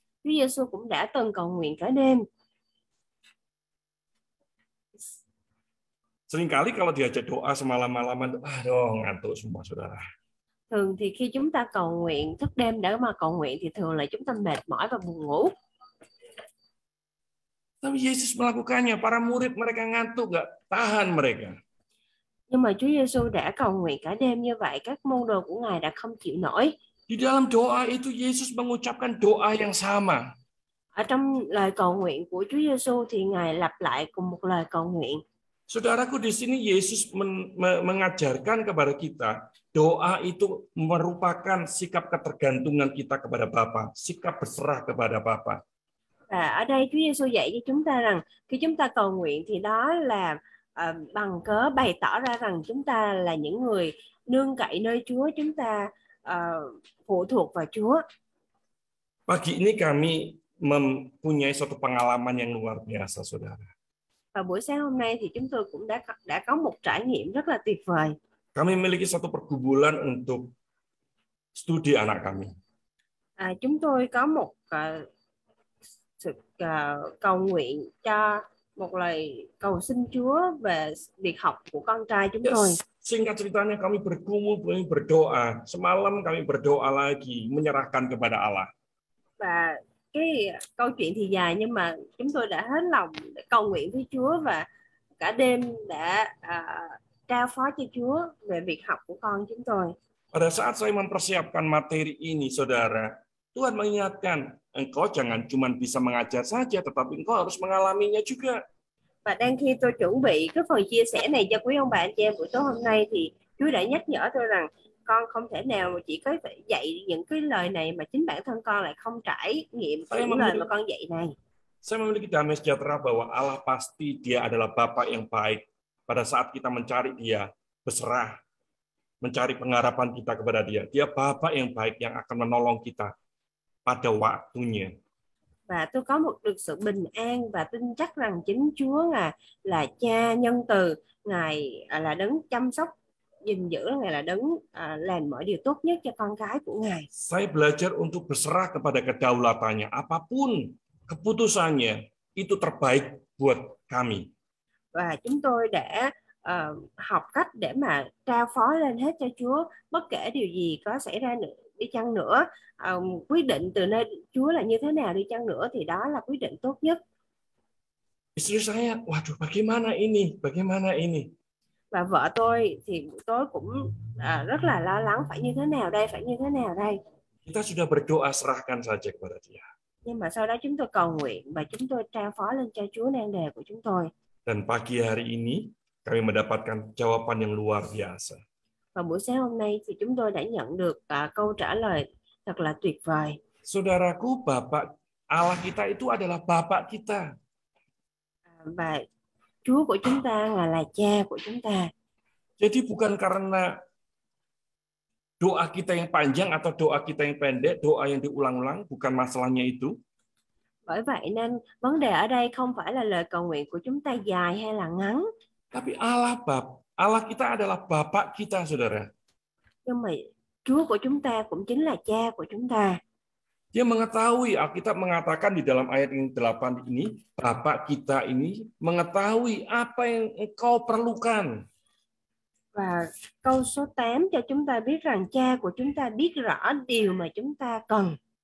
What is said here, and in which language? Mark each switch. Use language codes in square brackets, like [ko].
[vi] Chúa Giêsu cũng đã từng cầu nguyện cả đêm. [id] Seringkali kalau diajak doa semalam-malaman, aduh ngantuk semua, saudara. [vi] Thường thì khi chúng ta cầu nguyện thức đêm để mà cầu nguyện thì thường là chúng ta mệt mỏi và buồn ngủ. [id] Tapi Yesus melakukannya, para murid mereka ngantuk, nggak tahan mereka. [vi] Nhưng mà Chúa Giêsu đã cầu nguyện cả đêm như vậy, các môn đồ của Ngài đã không chịu nổi. [id] Di dalam doa itu Yesus mengucapkan doa yang sama. [vi] Ở trong lời cầu nguyện của Chúa Giêsu thì Ngài lặp lại cùng một lời cầu nguyện. [id] Saudaraku, di sini Yesus mengajarkan kepada kita doa itu merupakan sikap ketergantungan kita kepada Bapa, sikap berserah kepada Bapa. [vi] Ở đây Chúa Giêsu dạy cho chúng ta rằng khi chúng ta cầu nguyện thì đó là bằng cớ bày tỏ ra rằng chúng ta là những người nương cậy nơi Chúa, chúng ta phụ thuộc vào Chúa. [id] Pagi ini kami mempunyai suatu pengalaman yang luar biasa, saudara. [vi] Và buổi sáng hôm nay thì chúng tôi cũng đã có một trải nghiệm rất là tuyệt vời. [id] Kami memiliki satu pergumulan untuk studi anak kami. [vi] Chúng tôi có một sự cầu nguyện cho một lời cầu xin Chúa về việc học của con trai chúng tôi. [id] Singkat ceritanya, kami bergumul, kami berdoa. Semalam kami berdoa lagi, menyerahkan kepada Allah. [vi] Và cái câu chuyện thì dài nhưng mà chúng tôi đã hết lòng để cầu nguyện với Chúa và cả đêm đã trao phó cho Chúa về việc học của con chúng tôi. [id] Pada saat saya mempersiapkan materi ini, saudara, Tuhan mengingatkan engkau jangan cuma bisa mengajar saja, tetapi engkau harus mengalaminya juga. [vi] Và đang khi tôi chuẩn bị cái phần chia sẻ này cho quý ông bà anh chị em buổi tối hôm nay thì Chúa đã nhắc nhở tôi rằng con không thể nào mà chỉ có dạy những cái lời này mà chính bản thân con lại không trải nghiệm những lời mà con dạy này. [id] Saya memiliki damai sejahtera bahwa Allah pasti Dia adalah Bapa yang baik pada saat kita mencari Dia, berserah, mencari pengharapan kita kepada Dia. Dia Bapa yang baik yang akan menolong kita pada waktunya. [vi] Và tôi có một được sự bình an và tin chắc rằng chính Chúa Ngài là Cha nhân từ, Ngài là đấng chăm sóc gìn giữ, Ngài là đấng làm mọi điều tốt nhất cho con cái của Ngài. [id] Saya belajar untuk berserah kepada kedaulatannya, apapun keputusannya itu terbaik buat kami. [vi] Và chúng tôi đã học cách để mà trao phó lên hết cho Chúa, bất kể điều gì có xảy ra nữa đi chăng nữa, quyết định từ nơi Chúa là như thế nào đi chăng nữa thì đó là quyết định tốt nhất. [id] Istri saya, waduh, bagaimana ini? Bagaimana ini? [vi] Và vợ tôi thì tôi cũng rất là lo lắng, phải như thế nào đây, phải như thế nào đây. [id] Kita sudah berdoa serahkan saja kepada Dia. [vi] Nhưng mà sau đó chúng tôi cầu nguyện và chúng tôi trao phó lên cho Chúa nan đề của chúng tôi. [id] Dan pagi hari ini kami mendapatkan jawaban yang luar biasa. [vi] Và buổi sáng hôm nay thì chúng tôi đã nhận được câu trả lời thật là tuyệt vời. [id] Saudaraku, Bapa Allah kita itu adalah Bapa kita. [vi] Và Chúa của chúng ta là Cha của chúng ta. [id] Jadi bukan karena doa kita yang panjang atau doa kita yang pendek, doa yang diulang-ulang, bukan masalahnya itu. [vi] Bởi vậy nên vấn đề ở đây không phải là lời cầu nguyện của chúng ta dài hay là ngắn. [id] Tapi Allah kita adalah Bapa kita, saudara. [vi] Nhưng mà Chúa của chúng ta cũng chính là Cha của chúng ta. [id] Dia mengetahui, Alkitab mengatakan di dalam ayat yang 8 ini, Bapa kita ini mengetahui apa yang engkau perlukan. [vi] Và câu số 8 cho chúng ta biết rằng Cha của chúng ta biết rõ điều mà chúng ta cần.